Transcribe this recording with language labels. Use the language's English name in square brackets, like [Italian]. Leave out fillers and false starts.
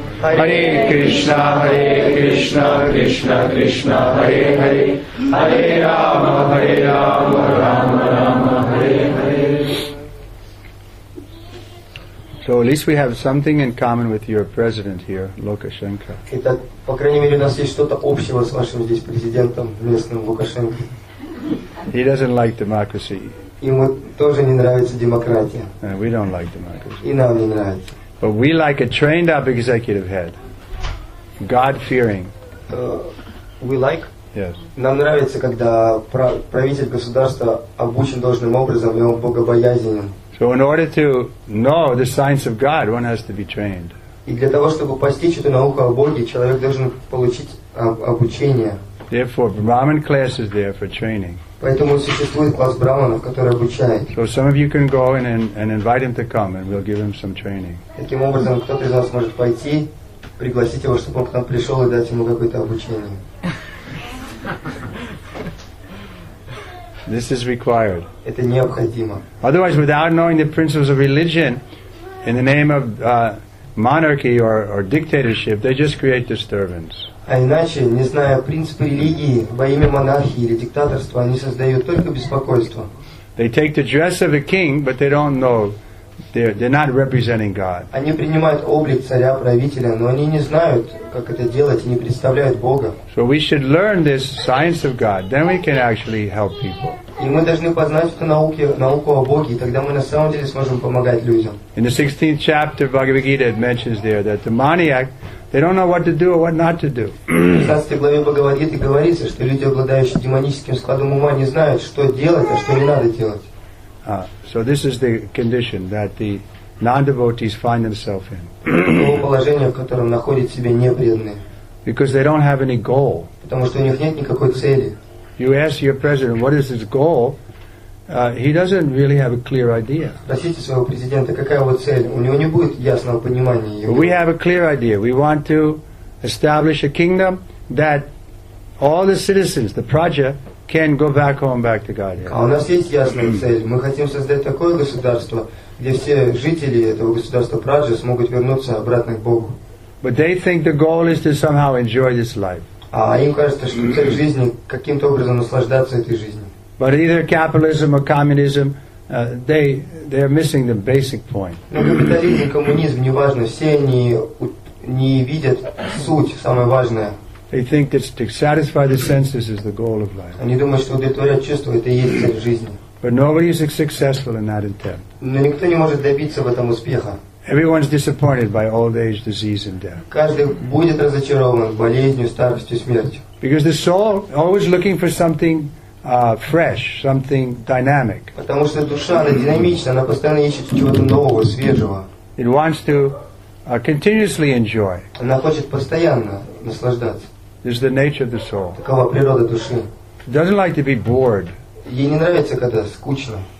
[Sanskrit] Hare Krishna Hare Krishna Krishna Krishna Hare Hare Hare Rama Hare Rama Rama Rama Hare Hare [English] So at least we have something in common with your president here, Lukashenko. [Russian] Итак, по крайней мере, у нас есть что-то общего с вашим здесь президентом местным Лукашенко. [English] He doesn't like democracy. [Russian] Ему тоже не нравится демократия. [English] And we don't like democracy. [Russian] И нам не нравится. [English] But we like a trained up executive head. God fearing. We like? Yes. [Russian] Нам нравится, когда правитель государства обучен должным образом, и он богобоязненен. [English] So in order to know the science of God, one has to be trained. [Russian] И для того, чтобы постичь эту науку о Боге, человек должен получить обучение. [English] Therefore, Brahman class is there for training. [Russian] Поэтому существует класс брахманов, который обучает. [English] So some of you can go and invite him to come, and we'll give him some training. [Russian] Таким образом, кто-то из вас может пойти, пригласить его, чтобы он к нам пришел и дать ему какое-то обучение. [English] This is required. [Russian] Это необходимо. [English] Otherwise, without knowing the principles of religion, in the name of monarchy or dictatorship, they just create disturbance. [Russian] А иначе, не зная принципы религии, во имя монархии или диктаторства, они создают только беспокойство. [English] They take the dress of a king, but they don't know They're not representing God. [Russian] Они принимают облик царя, правителя, но они не знают, как это делать, и не представляют Бога. [English] So we should learn this science of God, then we can actually help people. [Russian] И мы должны познать эту науку, науку о Боге, и тогда мы на самом деле сможем помогать людям. [English] In the 16th chapter of Bhagavad Gita, it mentions there that demoniac, they don't know what to do or what not to do. [Russian] В 16 главе Бхагавад Гиты говорится, что люди, обладающие демоническим складом ума, не знают, что делать, а что не надо делать. [English] So this is the condition that the non-devotees find themselves in. [Russian] Того положения, в котором находят себя непреданные. [English] Because they don't have any goal. [Russian] Потому что у них нет никакой цели. [English] You ask your president, what is his goal? He doesn't really have a clear idea. [Russian] Спросите своего президента, какая его цель? У него не будет ясного понимания. [English] We have a clear idea. We want to establish a kingdom that all the citizens, the praja, can go back home, back to Godhead. [Russian] А у нас есть ясная цель. Мы хотим создать такое государство, где все жители этого государства Праджа смогут вернуться обратно к Богу. [English] But they think the goal is to somehow enjoy this life. [Russian] А им кажется, что цель жизни каким-то образом наслаждаться этой жизнью. [English] But either capitalism or communism, they are missing the basic point. [Russian] Но капитализм, коммунизм, неважно, все они не видят суть, самое важное. [English] They think that to satisfy the senses is the goal of life. [Russian] Они думают, что удовлетворять чувства – это и есть цель жизни. [English] But nobody is successful in that attempt. [Russian] Но никто не может добиться в этом успеха. [English] Everyone is disappointed by old age, disease, and death. [Russian] Каждый будет разочарован болезнью, старостью, смертью. [English] Because the soul always looking for something fresh, something dynamic. [Russian] Потому что душа она динамична, она постоянно ищет чего-то нового, свежего. [English] It wants to continuously enjoy. [Russian] Она хочет постоянно. [English] This is the nature of the soul. [Russian] Такова природа души. [English] It doesn't like to be bored. [Russian] Ей не нравится, когда скучно.